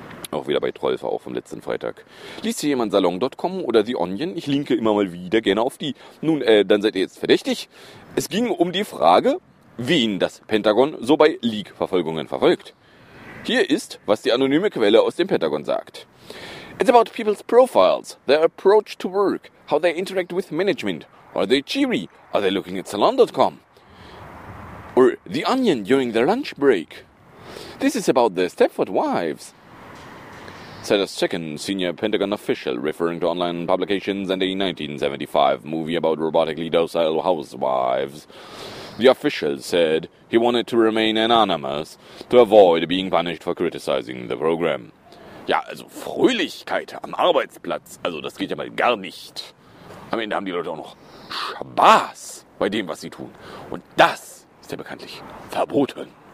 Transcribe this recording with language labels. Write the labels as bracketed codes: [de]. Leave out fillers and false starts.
[de] Auch wieder bei Trollfe, auch vom letzten Freitag. Liest hier jemand salon.com oder The Onion? Ich linke immer mal wieder gerne auf die. Nun, dann seid ihr jetzt verdächtig. Es ging um die Frage, wen das Pentagon so bei Leak-Verfolgungen verfolgt. Hier ist, was die anonyme Quelle aus dem Pentagon sagt. [en] It's about people's profiles, their approach to work, how they interact with management. Are they cheery? Are they looking at salon.com? Or The Onion during their lunch break? This is about the Stepford Wives. Said a second senior Pentagon official referring to online publications and a 1975 movie about robotically docile housewives. The official said he wanted to remain anonymous to avoid being punished for criticizing the program. [de] Ja, also Fröhlichkeit am Arbeitsplatz, also das geht ja mal gar nicht. Am Ende haben die Leute auch noch Spaß bei dem, was sie tun. Und das ist ja bekanntlich verboten.